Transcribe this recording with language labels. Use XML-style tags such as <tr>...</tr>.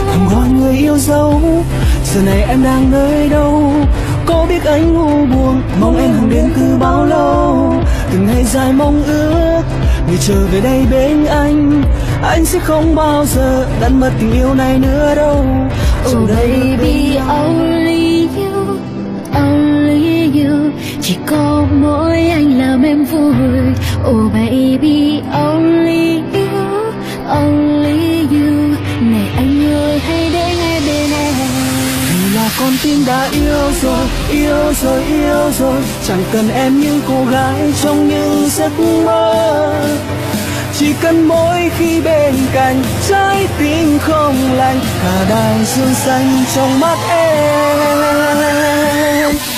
<vi>Không gọi người yêu dấu, giờ này em đang nơi đâu? Có biết anh ngu buồn, mong em không đến cứ bao lâu. Từng ngày dài mong ước, người trở về đây bên anh. Anh sẽ không bao giờ đánh mất tình yêu này nữa đâu.</vi> <en>Oh baby, only you, only you.</en> <vi>Chỉ có mỗi anh làm em vui.</vi> <en>Oh baby, only you, only you.</en> <vi>Này anh ơi, hãy để ngay bên em. Là con tim đã yêu rồi, yêu rồi, yêu rồi. Chẳng cần em như cô gái trong những giấc mơ. Chỉ cần mỗi khi bên cạnh, trái tim không lành, cả đài dương xanh trong mắt em.</vi>